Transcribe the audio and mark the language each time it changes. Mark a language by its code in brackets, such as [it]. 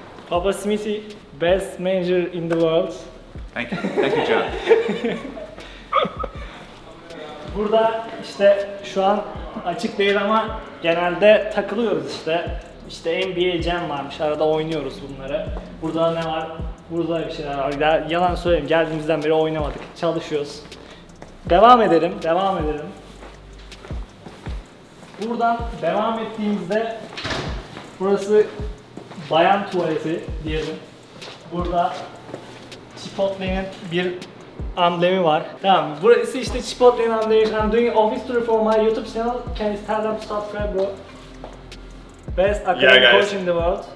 [en] Papa Smithy, best manager in the world. Thank you John. [tr] Burada işte şu an açık değil ama genelde takılıyoruz işte. İşte NBA Jam varmış, arada oynuyoruz bunları. Burada ne var? Burada bir şeyler var. Yalan söyleyeyim, geldiğimizden beri oynamadık. Çalışıyoruz. Devam edelim. Buradan devam ettiğimizde burası bayan tuvaleti diyelim. Burada Chipotle'nin bir amblemi var. Tamam. Burası işte Chipotle'nin amblemi. [en] I'm doing office tour for my YouTube channel. Can you tell them to subscribe, bro? Best academic coach in the world.